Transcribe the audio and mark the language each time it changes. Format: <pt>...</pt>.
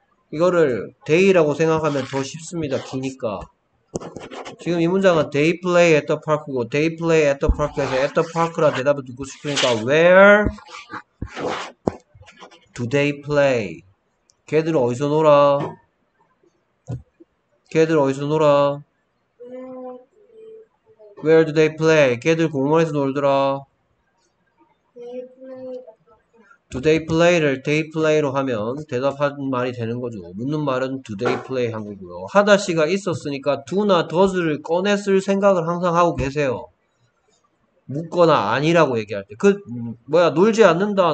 <ko>이거를 'they'라고 생각하면 더 쉽습니다. 기니까. 지금 이 문장은</ko> <en>'they play at the park'고</en> <ko>'they play at the park'에서 'at the park'라 대답을 듣고 싶으니까</ko> <en>'where do they play?'</en> <ko>걔들 어디서 놀아? 걔들 어디서 놀아?</ko> <en>'Where do they play?'</en> <ko>걔들 공원에서 놀더라.</ko> <en>Do they play</en> <ko>를</ko> <en>they play</en> <ko>로 하면 대답한 말이 되는 거죠. 묻는 말은</ko> <en>do they play</en> <ko>한국어고요. 하다 씨가 있었으니까 do나 does를 꺼냈을 생각을 항상 하고 계세요. 묻거나 아니라고 얘기할 때. 뭐야, 놀지 않는다.</ko>